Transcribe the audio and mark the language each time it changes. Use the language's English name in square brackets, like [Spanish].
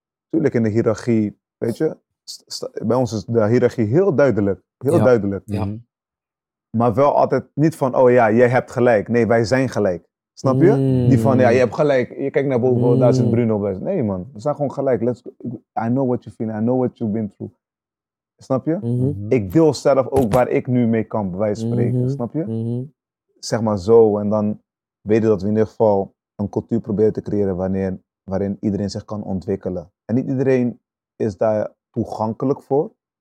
[Dutch] Natuurlijk in de hiërarchie, weet je, bij ons is de hiërarchie heel duidelijk, duidelijk. Ja. Maar wel altijd niet van, oh ja, jij hebt gelijk. Nee, wij zijn gelijk. Snap je? Niet van, ja, je hebt gelijk. Je kijkt naar boven, daar zit Bruno bij. Nee man, we zijn gewoon gelijk. [English] Let's go. I know what you feel, I know what you've been through. [Dutch] Snap je? Mm-hmm. Ik deel zelf ook waar ik nu mee kan, bij wijze van spreken. Mm-hmm. Snap je? Mm-hmm. Zeg maar zo, en dan weten dat we in ieder geval een cultuur proberen te creëren waarin iedereen zich kan ontwikkelen. En niet iedereen is daar toegankelijk voor.